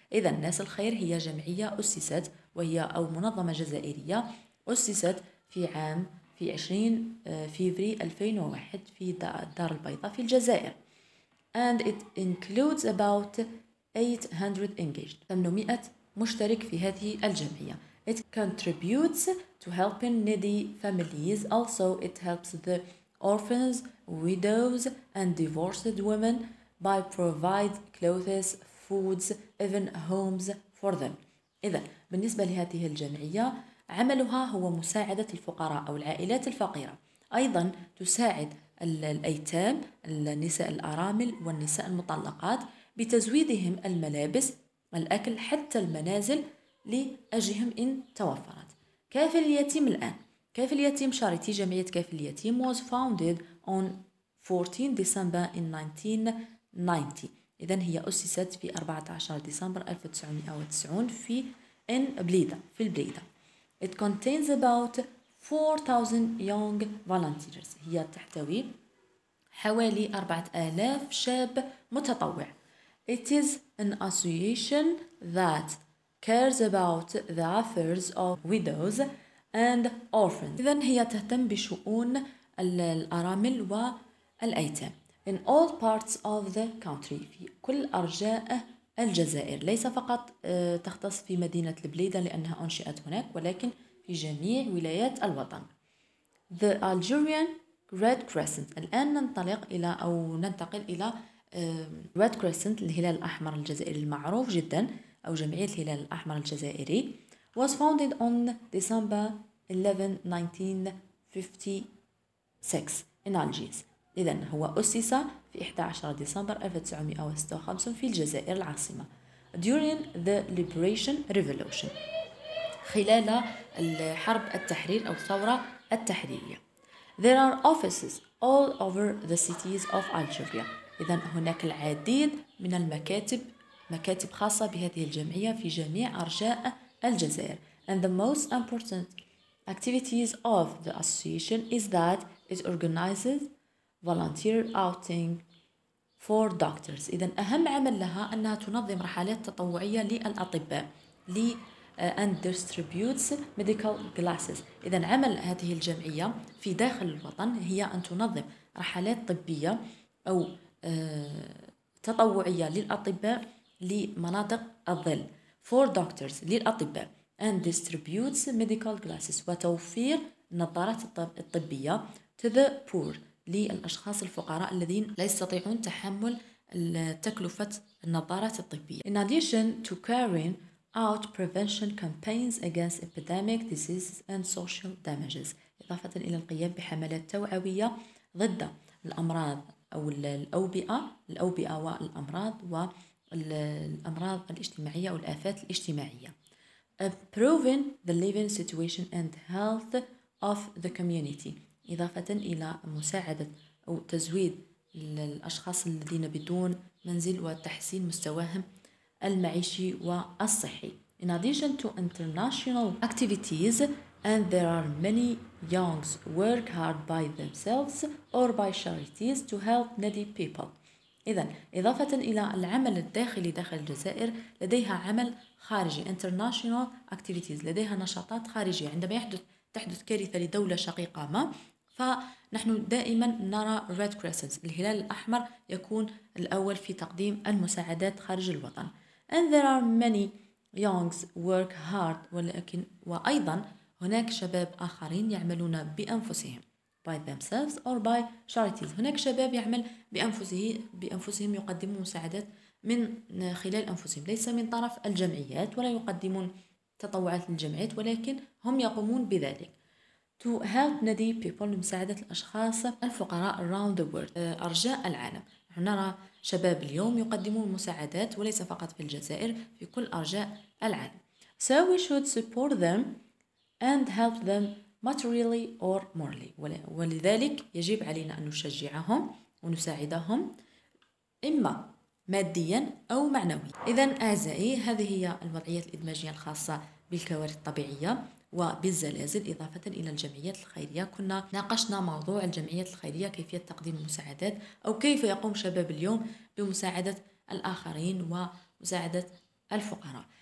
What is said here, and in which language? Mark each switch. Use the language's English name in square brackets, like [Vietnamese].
[Arabic] إذن ناس الخير هي جمعية أسست وهي أو منظمة جزائرية أسست في عام في 20 فيفري 2001 في دار البيضاء في الجزائر. [English] And it includes about 800 engaged، [Arabic] 800 مشترك في هذه الجمعية. [English] It contributes to helping needy families. Also, it helps the orphans, widows, and divorced women by provide clothes, foods, even homes for them. [Arabic] إذا بالنسبة لهذه الجمعية، عملها هو مساعدة الفقراء أو العائلات الفقيرة. أيضا تساعد الأيتام، النساء الأرامل والنساء المطلقات بتزويدهم الملابس، الأكل، حتى المنازل لأجلهم إن توفرت. كافل اليتيم الآن. كافل اليتيم شاريتي، جمعية كافل اليتيم [English] was founded on [Arabic] 14 ديسمبر in 1990. إذن هي أسست في 14 ديسمبر 1990 في إن بليدا، في البليدا. [English] It contains about 4,000 young volunteers. [Arabic] هي تحتوي حوالي 4,000 شاب متطوع. [English] It is an association that cares about the affairs of widows and orphans. [Arabic] إذن هي تهتم بشؤون الأرامل والأيتام [English] in all parts of the country, [Arabic] في كل أرجاء الجزائر, ليس فقط تختص في مدينة البليدة لأنها أنشئت هناك, ولكن في جميع ولايات الوطن. [English] The Algerian Red Crescent. [Arabic] الآن ننطلق إلى أو ننتقل إلى Red Crescent, الهلال الأحمر الجزائري المعروف جدا, أو جمعية الهلال الأحمر الجزائري. [English] Was founded on December 11, 1956 in Algiers. [Arabic] إذن هو أسس في 11 ديسمبر 1956 في الجزائر العاصمة. [English] During the Liberation Revolution. [Arabic] خلال الحرب التحرير أو الثورة التحريرية. [English] There are offices all over the cities of Algeria. [Arabic] إذن هناك العديد من المكاتب, مكاتب خاصة بهذه الجمعية في جميع أرجاء الجزائر. [English] And the most important activities of the association is that it organizes volunteer outing for doctors. [Arabic] إذن أهم عمل لها أنها تنظم رحلات تطوعية للأطباء. [English] And distributes medical glasses. [Arabic] إذن عمل هذه الجمعية في داخل الوطن هي أن تنظم رحلات طبية أو تطوعية للأطباء لمناطق الظل. [English] For doctors, [Arabic] للأطباء. [English] And distributes medical glasses. [Arabic] وتوفير النظارات الطبية [English] to the poor, [Arabic] للأشخاص الفقراء الذين لا يستطيعون تحمل تكلفة النظارات الطبية. [English] In addition to carrying out prevention campaigns against epidemic diseases and social damages. [Arabic] إضافة إلى القيام بحملات توعوية ضد الأمراض أو الأوبئة والأمراض والأمراض الاجتماعية أو الآفات الاجتماعية. [English] Improving the living situation and health of the community. [Arabic] إضافة إلى مساعدة أو تزويد الأشخاص الذين بدون منزل وتحسين مستواهم المعيشي والصحي. [English] In addition to international activities, and there are many youngs work hard by themselves or by charities to help needy people. [Arabic] إذن إضافة إلى العمل الداخلي داخل الجزائر, لديها عمل خارجي [English] international activities, [Arabic] لديها نشاطات خارجية. عندما تحدث كارثة لدولة شقيقة ما, فنحن دائما نرى Red Crescent, الهلال الأحمر, يكون الأول في تقديم المساعدات خارج الوطن. [English] And there are many youngs work hard, [Arabic] ولكن وأيضا هناك شباب آخرين يعملون بأنفسهم [English] by themselves or by charities. [Arabic] هناك شباب يعمل بأنفسهم يقدمون مساعدات من خلال أنفسهم, ليس من طرف الجمعيات, ولا يقدمون تطوعات للجمعيات, ولكن هم يقومون بذلك [English] to help needy people, [Arabic] لمساعدة الأشخاص الفقراء [English] around the world, [Arabic] أرجاء العالم. نرى شباب اليوم يقدمون مساعدات, وليس فقط في الجزائر, في كل أرجاء العالم. [English] So we should support them and help them materially or morally. [Arabic] ولذلك يجب علينا أن نشجعهم ونساعدهم إما ماديا أو معنويا. إذن أعزائي, هذه هي الوضعية الإدماجية الخاصة بالكوارث الطبيعية وبالزلازل. إضافة إلى الجمعيات الخيرية, كنا ناقشنا موضوع الجمعيات الخيرية, كيفية تقديم المساعدات, أو كيف يقوم شباب اليوم بمساعدة الآخرين ومساعدة الفقراء.